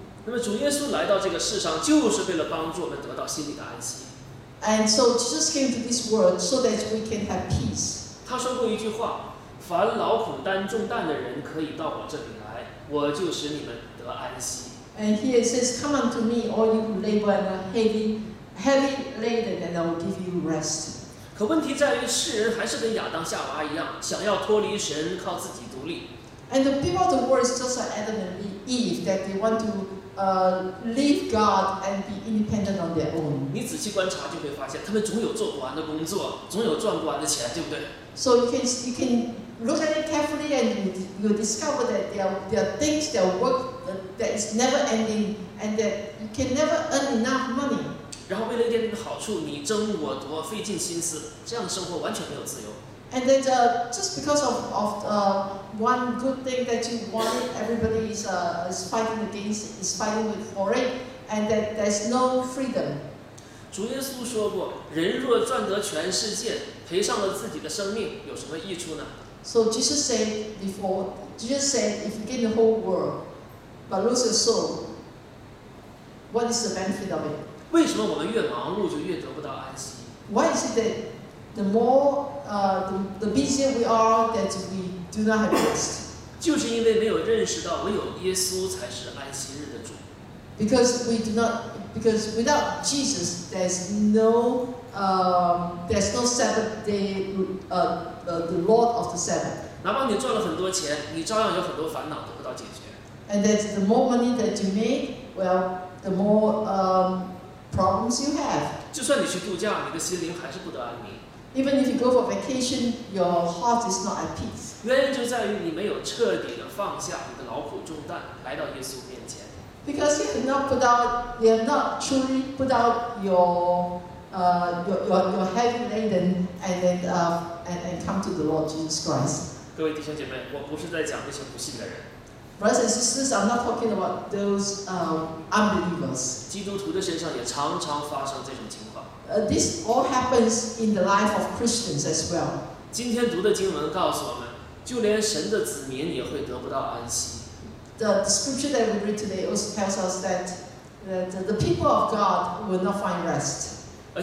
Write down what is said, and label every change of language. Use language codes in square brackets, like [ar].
[zh] 那么主耶稣来到这个世上，就是为了帮助我们得到心里的安息。 [en] And so Jesus came to this world so that we can have peace. [zh] 他说过一句话：“凡劳苦担重担的人，可以到我这里来，我就使你们得安息。” [en] And here it says, "Come unto me, all you who labor and are heavy laden, and I will give you rest." [zh] 可问题在于，世人还是跟亚当夏娃一样，想要脱离神，靠自己独立。 [en] And the people of the world is just like Adam and Eve, that they want to leave God and be independent on their own. [zh] 你仔细观察就会发现，他们总有做不完的工作，总有赚不完的钱，对不对？ [en] So you can look at it carefully, and you discover that there are things, there are work that is never ending, and that you can never earn enough money. [zh] 然后为了一点点好处，你争我夺，费尽心思，这样的生活完全没有自由。 [en] And then just because of one good thing that you want, everybody is fighting for it, and that there's no freedom. [zh] 主耶稣说过，人若赚得全世界，赔上了自己的生命有什么益处呢？ [en] So Jesus said before, Jesus said if you gain the whole world but lose your soul, what is the benefit of it? [zh] 为什么我们越忙碌就越得不到安息？ [en] Why is it that the more the busier we are that we do not have rest? [zh] 就是因为没有认识到唯有耶稣才是安息日的主。 [en] Because without Jesus, there's no Sabbath day, the Lord of the Sabbath. [zh] 哪怕你赚了很多钱，你照样有很多烦恼得不到解决。 [en] And that the more money that you make, well, the more problems you have. [zh] 就算你去度假，你的心灵还是不得安宁。 [en] Even if you go for vacation, your heart is not at peace. [zh] 原因就在于你没有彻底的放下你的劳苦重担，来到耶稣面前。 [en] Because you have not truly put out your heavy laden and come to the Lord Jesus Christ. [zh] 各位弟兄姐妹，我不是在讲那些不信的人。 [en] Brothers and sisters, I'm not talking about those unbelievers. [zh] 基督徒的身上也常常发生这种情况。 [en] This all happens in the life of Christians as well. [zh] 今天读的经文告诉我们，就连神的子民也会得不到安息。 [en] The scripture that we read today also tells us that the people of God will not find rest.